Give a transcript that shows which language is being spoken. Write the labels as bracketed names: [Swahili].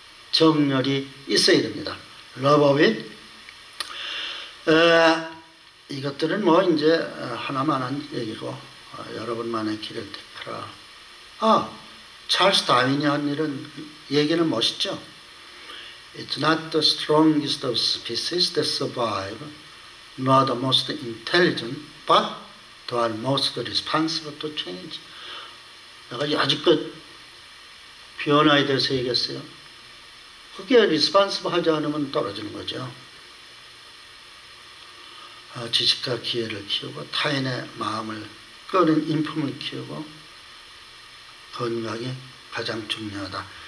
[Korean] 정열이 있어야 됩니다. [English] Love of it. [Korean] 이것들은 뭐 이제 하나만한 얘기고 여러분만의 길을 택하라. 아, 찰스 다윈이 한 일은 얘기는 멋있죠. [English] It's not the strongest of species that survive, nor the most intelligent, but the most responsible to change. [Korean] 내가 여지껏 변화에 대해서 얘기했어요. 그게 responsible 하지 않으면 떨어지는 거죠. 지식과 기회를 키우고 타인의 마음을 끄는 인품을 키우고 건강이 가장 중요하다.